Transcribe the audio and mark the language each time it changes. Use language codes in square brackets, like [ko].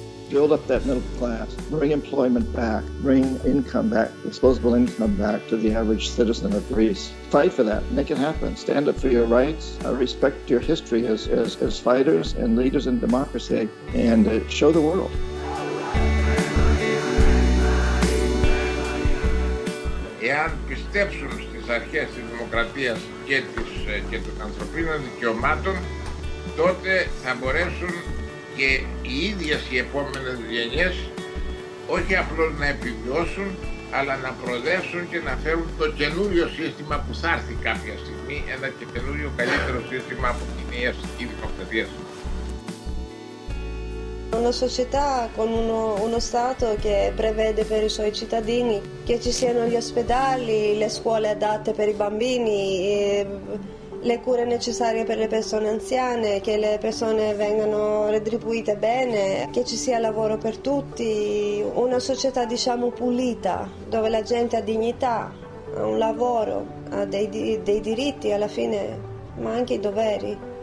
[en] Build up that middle class, bring employment back, bring income back, disposable income back to the average citizen of Greece. Fight for that, make it happen. Stand up for your rights, respect your history as fighters and leaders in democracy, and show the world. [el] Εάν πιστέψουν στις αρχές της δημοκρατίας και των ανθρωπίνων δικαιωμάτων, τότε θα μπορέσουν και οι ίδιες οι επόμενες γενιές όχι απλώς να επιβιώσουν, αλλά να προοδεύσουν και να φέρουν το καινούριο σύστημα που θα έρθει κάποια στιγμή, ένα και καινούριο καλύτερο σύστημα από την ιεστική δημοκρατία. [it] Una società con uno Stato che prevede per i suoi cittadini che ci siano gli ospedali, le scuole adatte per i bambini, le cure necessarie per le persone anziane, che le persone vengano retribuite bene, che ci sia lavoro per tutti, una società diciamo pulita, dove la gente ha dignità, ha un lavoro, ha dei diritti alla fine, ma anche i doveri.